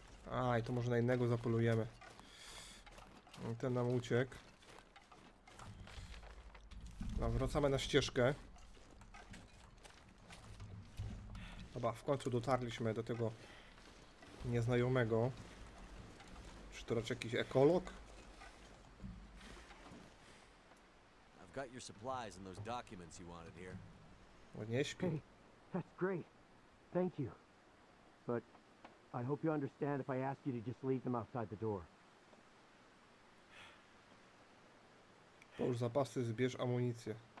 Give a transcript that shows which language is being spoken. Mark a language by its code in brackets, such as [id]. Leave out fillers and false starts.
[pl] A, i to może na innego zapolujemy. Ten nam uciekł. No, wracamy na ścieżkę. Dobra, w końcu dotarliśmy do tego nieznajomego. Czy to raczej jakiś ekolog? [en] I've got your supplies and those documents you wanted here. [pl] O, nie śpi. Hey, [en] that's great. Thank you. But I hope you understand if I ask you to just leave them outside the door. [pl] Połóż zapasy, zbierz amunicję.